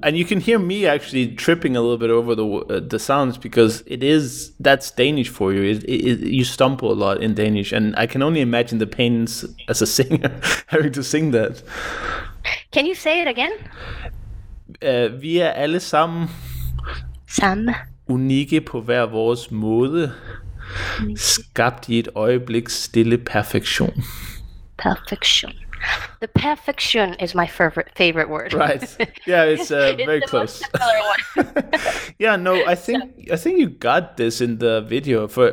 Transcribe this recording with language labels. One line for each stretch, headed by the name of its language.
English: And you can hear me actually tripping a little bit over the sounds, because it is, that's Danish for you. You stumble a lot in Danish, and I can only imagine the pains as a singer having to sing that. Can you say it again?
Danish: Vi er alle sammen unikke på hver vores måde, skabt i et øjeblik stille perfektion. Perfektion.
English: The perfection is my favorite word. Right. Yeah, it's very it's close. The most popular one. Yeah, no, I think you got this in the video.